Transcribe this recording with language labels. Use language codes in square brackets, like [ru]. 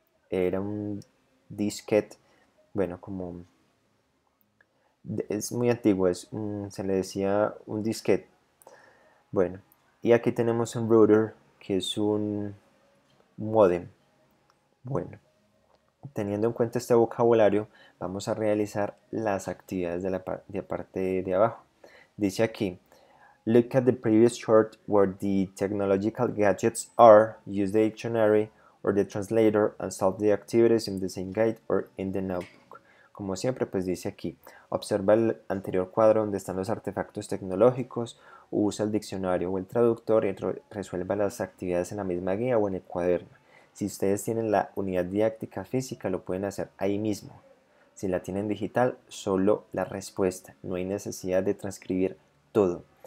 [es] Era un disquete, bueno, como es muy antiguo, se le decía un disquete. Bueno, y aquí tenemos un router, que es un módem. Bueno, teniendo en cuenta este vocabulario, vamos a realizar las actividades de la parte de abajo. Dice aquí, [en] Look at the previous chart where the technological gadgets are, use the dictionary or the translator and solve the activities in the same guide or in the notebook. [es] Como siempre, pues dice aquí, observa el anterior cuadro donde están los artefactos tecnológicos, usa el diccionario o el traductor y resuelva las actividades en la misma guía o en el cuaderno. Si ustedes tienen la unidad didáctica física, lo pueden hacer ahí mismo. Si la tienen digital, solo la respuesta. No hay necesidad de transcribir todo.